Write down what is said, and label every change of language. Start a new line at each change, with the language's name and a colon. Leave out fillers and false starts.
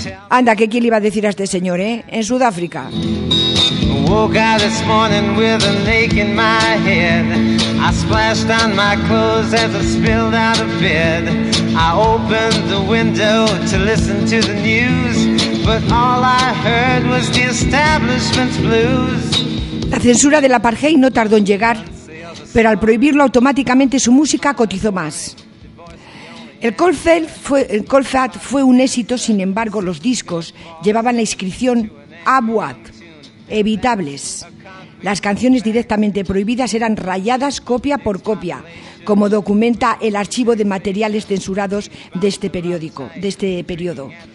Spanish: Anda, ¿qué quién le iba a decir a este señor, en Sudáfrica?
English: Woke out this morning with an ache in my head. I splashed on my clothes as I spilled out of bed. I opened the window to listen to the news, but all I heard was the establishment's blues.
Spanish: La censura del apartheid no tardó en llegar, pero al prohibirlo automáticamente su música cotizó más. El Cold Feet fue un éxito, sin embargo los discos llevaban la inscripción ABWAT, evitables. Las canciones directamente prohibidas eran rayadas copia por copia, como documenta el archivo de materiales censurados de este periódico, de este periodo.